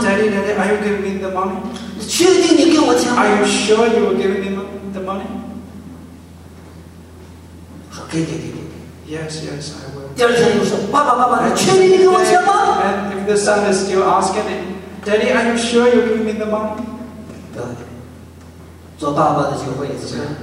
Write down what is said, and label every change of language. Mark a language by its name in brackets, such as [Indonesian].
[English] Daddy, daddy, are you giving me the money? [Chinese] 确定你给我钱吗？ [English] Are you sure you were giving me the money? [Chinese] 给。 [English] Yes, yes, I will. [Chinese] 第二天又说，爸爸，你确定你给我钱吗？ [English] And if the son is still asking it, Daddy, are you sure you're giving me the money? [Chinese] 对，做爸爸的就会怎么样？